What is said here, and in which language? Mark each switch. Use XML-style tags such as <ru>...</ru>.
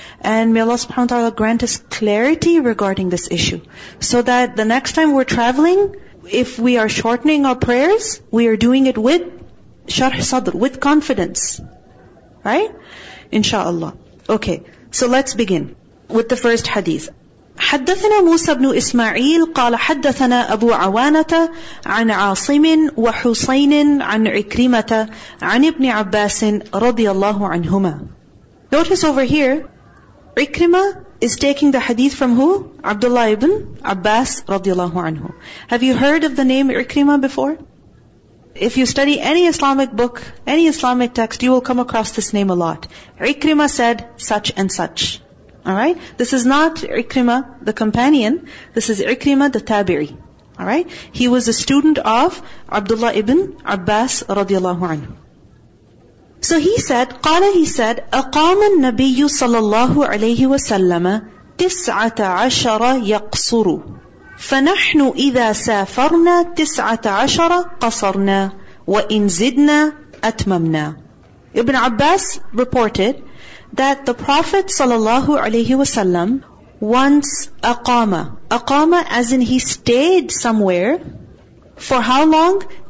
<en>And may Allah subhanahu wa ta'ala grant us clarity regarding this issue. So that the next time we're traveling, if we are shortening our prayers, we are doing it with sharh sadr, with confidence. Right? Insha'Allah. Okay, so let's begin with the first hadith.</en> <ar>حدثنا موسى بن إسماعيل قال حدثنا أبو عوانة عن عاصم وحسين عن عكرمة عن ابن عباس رضي الله عنهما.</ar> <en>Notice over here, Ikrimah is taking the hadith from who? Abdullah ibn Abbas</en> <ar>رضي الله عنه.</ar> <en>Have you heard of the name Ikrimah before? If you study any Islamic book, any Islamic text, you will come across this name a lot. Ikrimah said such and such. Alright? This is not Ikrimah, the companion. This is Ikrimah, the tabi'i. Alright? He was a student of Abdullah ibn Abbas radiallahu anhu. So he said,</en> <ar>قال</ar> <en>he said,</en> <ar>أقام النبي صلى الله عليه وسلم 19 يقصر فنحن إذا سافرنا 19 قصرنا وإن زدنا أتممنا.</ar> <en>Ibn Abbas reported that the Prophet sallallahu alaihi wasallam once aqama, as in he stayed somewhere for how long?</en>